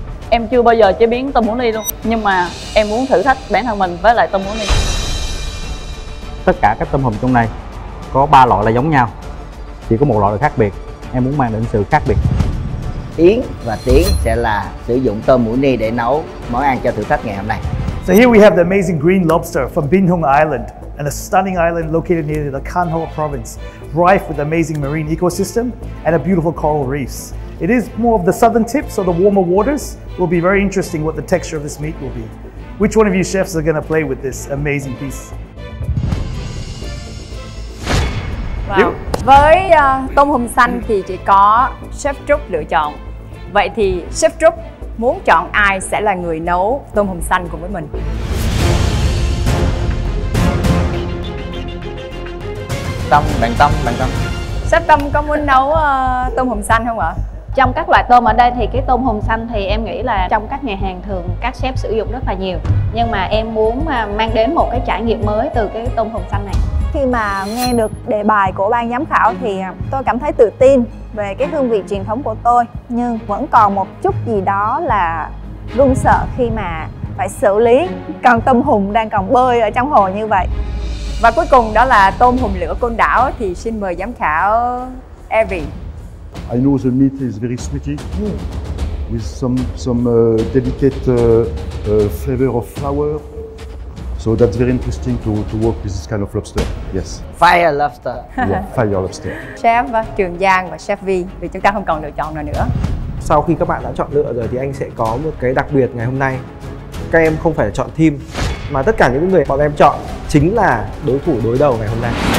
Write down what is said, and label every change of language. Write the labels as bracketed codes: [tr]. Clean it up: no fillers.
[vi] Em chưa bao giờ chế biến tôm hủ ni luôn, nhưng mà em muốn thử thách bản thân mình với lại tôm hủ ni. Tất cả các tôm hùm trong này có ba loại là giống nhau, chỉ có một loại là khác biệt. Em muốn mang đến sự khác biệt. Yến và Tiến sẽ là sử dụng tôm mũi ni để nấu món ăn cho thử thách ngày hôm nay. [en] So here we have the amazing green lobster from Binh Hung Island, and a stunning island located near the Khan Hoa province, rife with amazing marine ecosystem and a beautiful coral reefs. It is more of the southern tip, so the warmer waters will be very interesting what the texture of this meat will be. Which one of you chefs are going to play with this amazing piece? Wow. [vi] Với tôm hùm xanh thì chỉ có Chef Trúc lựa chọn. Vậy thì Chef Trúc muốn chọn ai sẽ là người nấu tôm hùm xanh cùng với mình? Tâm. Chef Tâm có muốn nấu tôm hùm xanh không ạ? Trong các loại tôm ở đây thì cái tôm hùm xanh thì em nghĩ là trong các nhà hàng thường các chef sử dụng rất là nhiều. Nhưng mà em muốn mang đến một cái trải nghiệm mới từ cái tôm hùm xanh này. Khi mà nghe được đề bài của ban giám khảo thì tôi cảm thấy tự tin về cái hương vị truyền thống của tôi. Nhưng vẫn còn một chút gì đó là run sợ khi mà phải xử lý con tôm hùm đang còn bơi ở trong hồ như vậy. Và cuối cùng đó là tôm hùm lửa Côn Đảo, thì xin mời giám khảo Evie. [en] I know the meat is very sweety, with some delicate flavor of flour. So that's very interesting to work with this kind of lobster. Yes. Fire lobster. Yeah, fire lobster. [vi] Chef Trường Giang và Chef Vi, vì chúng ta không còn lựa chọn nào nữa. Sau khi các bạn đã chọn lựa rồi thì anh sẽ có một cái đặc biệt ngày hôm nay. Các em không phải chọn team, mà tất cả những người bọn em chọn chính là đối thủ đối đầu ngày hôm nay.